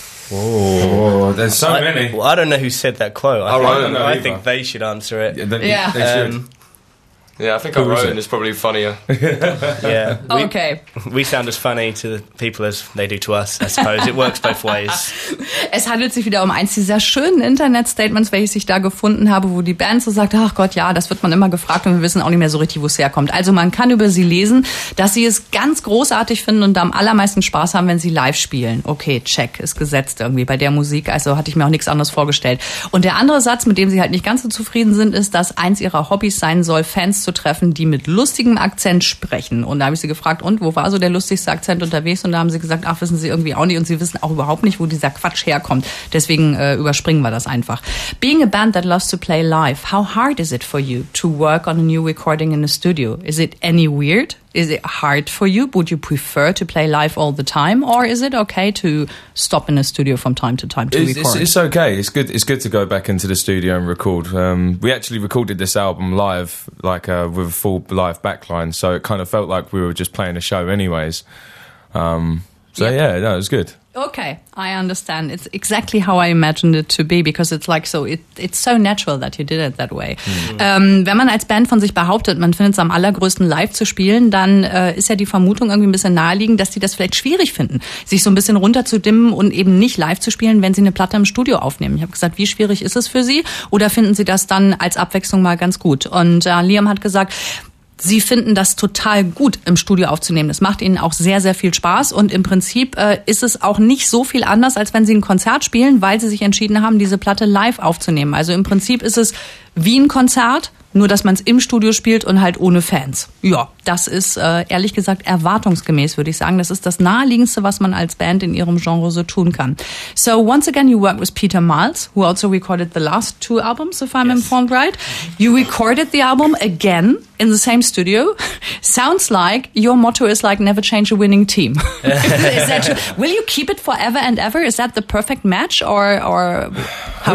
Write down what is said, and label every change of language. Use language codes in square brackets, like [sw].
[en] Whoa, there's so many. Well, I don't know who said that quote. I don't know. I think they should answer it. Yeah, I think I wrote it and it's probably funnier. Yeah. Okay. We sound as funny to the people as they do to us, I suppose. It works both ways. [de] Es handelt sich wieder um eins dieser schönen Internet-Statements, welches ich da gefunden habe, wo die Band so sagt, ach Gott, ja, das wird man immer gefragt und wir wissen auch nicht mehr so richtig, wo es herkommt. Also man kann über sie lesen, dass sie es ganz großartig finden und am allermeisten Spaß haben, wenn sie live spielen. Okay, check, ist gesetzt irgendwie bei der Musik. Also hatte ich mir auch nichts anderes vorgestellt. Und der andere Satz, mit dem sie halt nicht ganz so zufrieden sind, ist, dass eins ihrer Hobbys sein soll, Fans zu treffen, die mit lustigem Akzent sprechen. Und da habe ich sie gefragt, und wo war so der lustigste Akzent unterwegs? Und da haben sie gesagt, ach, wissen sie irgendwie auch nicht. Und sie wissen auch überhaupt nicht, wo dieser Quatsch herkommt. Deswegen überspringen wir das einfach. [en] Being a band that loves to play live, how hard is it for you to work on a new recording in a studio? Is it any weird? Is it hard for you? Would you prefer to play live all the time? Or is it okay to stop in a studio from time to time to record? It's okay. It's good. It's good to go back into the studio and record. We actually recorded this album live, with a full live backline. So it kind of felt like we were just playing a show anyways. It was good. Okay, I understand. It's exactly how I imagined it to be, because it's like so, it's so natural that you did it that way. Mhm. [de] Wenn man als Band von sich behauptet, man findet es am allergrößten live zu spielen, dann ist ja die Vermutung irgendwie ein bisschen naheliegend, dass die das vielleicht schwierig finden, sich so ein bisschen runterzudimmen und eben nicht live zu spielen, wenn sie eine Platte im Studio aufnehmen. Ich habe gesagt, wie schwierig ist es für sie oder finden sie das dann als Abwechslung mal ganz gut? Und Liam hat gesagt, sie finden das total gut, im Studio aufzunehmen. Das macht ihnen auch sehr, sehr viel Spaß. Und im Prinzip ist es auch nicht so viel anders, als wenn sie ein Konzert spielen, weil sie sich entschieden haben, diese Platte live aufzunehmen. Also im Prinzip ist es wie ein Konzert, nur dass man es im Studio spielt und halt ohne Fans. Ja, das ist ehrlich gesagt erwartungsgemäß, würde ich sagen. Das ist das Naheliegendste, was man als Band in ihrem Genre so tun kann. [en] So, once again, you work with Peter Miles, who also recorded the last two albums, if I'm informed right. You recorded the album again in the same studio. Sounds like your motto is like never change a winning team. Is that true? Will you keep it forever and ever? Is that the perfect match or how